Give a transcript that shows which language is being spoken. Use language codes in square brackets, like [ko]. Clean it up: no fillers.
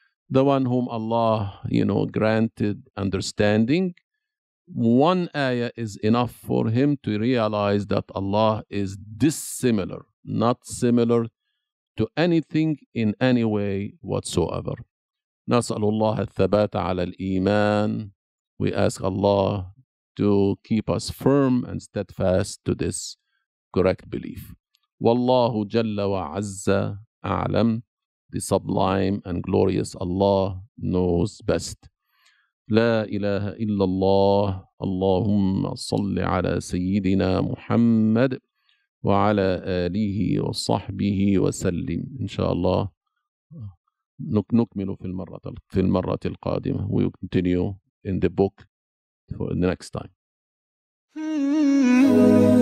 [en] The one whom Allah granted understanding, one ayah is enough for him to realize that Allah is dissimilar, not similar to anything in any way whatsoever. [ar] نسأل الله الثبات على الإيمان. [en] We ask Allah to keep us firm and steadfast to this correct belief. [ar] والله جل وعز أعلم. [en] The sublime and glorious Allah knows best. [ar] لا إله إلا الله. اللهم صل على سيدنا محمد وعلى آله وصحبه وسلم. إن شاء الله نكمل في المرة القادمة. [en] We continue in the book for the next time.